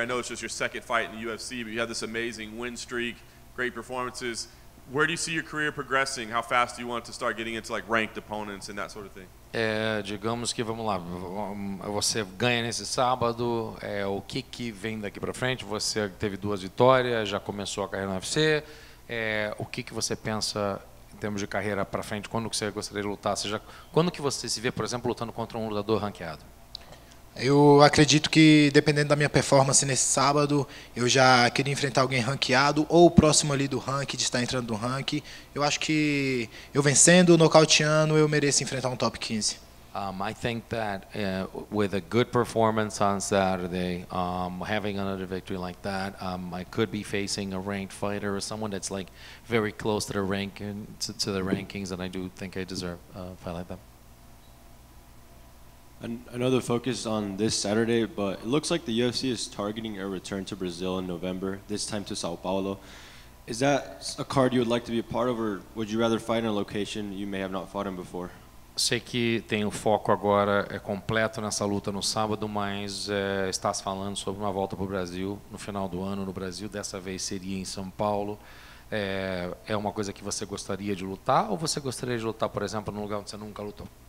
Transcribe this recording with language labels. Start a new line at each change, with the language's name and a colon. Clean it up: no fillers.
English: I know it's just your second fight in the UFC, but you have this amazing win streak, great performances. Where do you see your career progressing? How fast do you want to start getting into like ranked opponents and that sort of thing?
Portuguese: É, digamos que, vamos lá, você ganha nesse sábado, o que vem daqui para frente? Você teve 2 vitórias, já começou a carreira no UFC, o que você pensa em termos de carreira para frente? Quando que você gostaria de lutar? Seja, quando que você se vê, por exemplo, lutando contra um lutador ranqueado? Eu acredito que, dependendo da minha performance nesse sábado, eu já queria enfrentar alguém ranqueado ou próximo ali do ranking, de estar entrando no ranking. Eu acho que, eu vencendo, nocauteando, eu mereço enfrentar um top 15.
English: I think that with a good performance on Saturday, having another victory like that, I could be facing a ranked fighter or someone that's like very close to the ranking, to the rankings, and I do think I deserve a fight like that. I know the focus on this Saturday, but it looks like the UFC is targeting a return to Brazil in November, this time to Sao Paulo. Is that a card you would like to be a part of, or would you rather fight in a location you may have not fought in before?
Portuguese: Sei que tem o foco agora completo nessa luta no sábado, mas está se falando sobre uma volta para o Brasil no final do ano no Brasil. Dessa vez seria em São Paulo. É uma coisa que você gostaria de lutar, ou você gostaria de lutar, por exemplo, num lugar onde você nunca lutou?